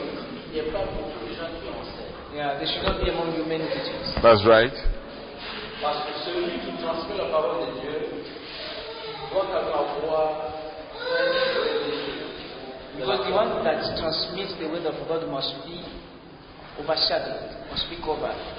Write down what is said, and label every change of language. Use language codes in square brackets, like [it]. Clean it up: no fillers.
[en] There should not be among you many teachers. That's right. [fr] Parce que celui qui transmet la parole de Dieu doit avoir. [en] Because the one that transmits the word of God must be overshadowed, must be covered.